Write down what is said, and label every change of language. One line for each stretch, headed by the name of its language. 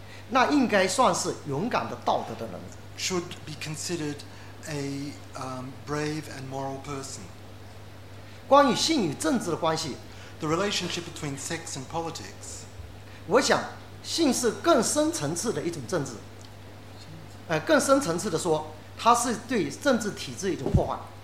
Chinese: 那应该算是勇敢的道德的人。
English: Should be considered a brave and moral person.
Chinese: 关于性与政治的关系
English: ，the relationship between sex and politics，
Chinese: 我想性是更深层次的一种政治，更深层次的说，它是对政治体制一种破坏。